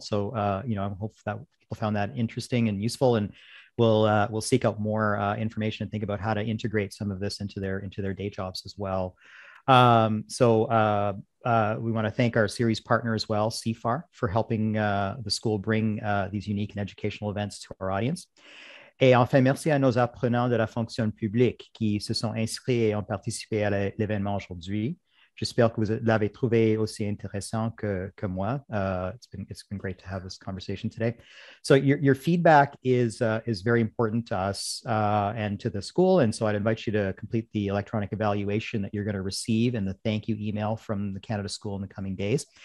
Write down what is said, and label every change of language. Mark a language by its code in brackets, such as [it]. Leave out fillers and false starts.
[en] So, you know, I hope that people found that interesting and useful, and we'll seek out more information and think about how to integrate some of this into their day jobs as well. We want to thank our series partner as well, CIFAR, for helping the school bring these unique and educational events to our audience. [fr] Et enfin, merci à nos apprenants de la fonction publique qui se sont inscrits et ont participé à l'événement aujourd'hui. J'espère que vous l'avez trouvé aussi intéressant que moi. [en] It's been great to have this conversation today. So your feedback is very important to us and to the school. And so I'd invite you to complete the electronic evaluation that you're going to receive and the thank you email from the Canada School in the coming days.